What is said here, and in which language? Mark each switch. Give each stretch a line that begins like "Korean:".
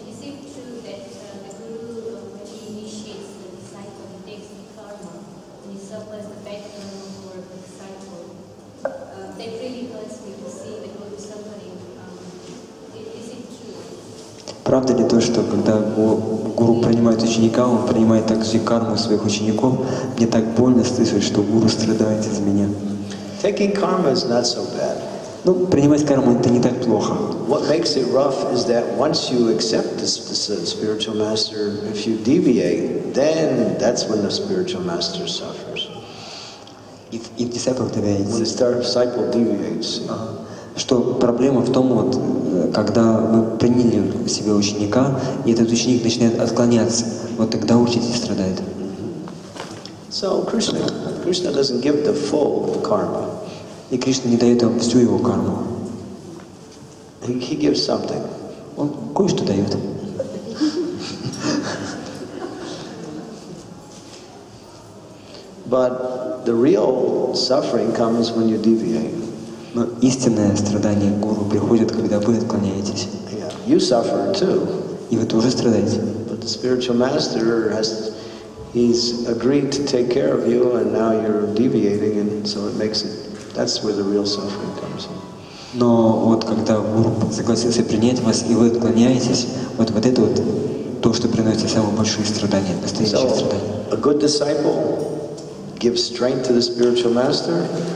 English: Is it true that the guru, when he initiates the disciple, he takes the karma, and he suffers the background for the disciple? That really hurts me to see the guru suffering. Is it true?
Russian: Правда ли то, что когда Гуру принимает ученика, он принимает также карму своих учеников. Мне так больно слышать, что Гуру страдает из меня.
English: Taking karma is not so bad.
Russian: Ну, принимать карму — это не так плохо.
English: What makes it rough is that once you accept the spiritual master, if you deviate, then that's when the spiritual master suffers. If disciple deviates. When the disciple deviates.
Russian: Что проблема в том, вот, когда вы приняли в себе ученика, и этот ученик начинает отклоняться, вот тогда учитель страдает.
English: So Krishna doesn't give the full karma.
Russian: И Кришна не дает вам всю его карму.
English: He gives something.
Russian: Он кое-что дает.
English: But the real suffering comes when you deviate.
Russian: Но истинное страдание гуру приходит, когда вы отклоняетесь.
English: Yeah, you suffer too.
Russian: И вы тоже страдаете.
English: But the spiritual master has, he's agreed to take care of you, and now you're deviating, and so it makes it. That's where the real suffering comes in.
Russian: Но вот когда гуру согласился принять вас, и вы отклоняетесь, вот это вот то, что приносит самые большие страдания, настоящие страдания.
English: So, a good disciple gives strength to the spiritual master.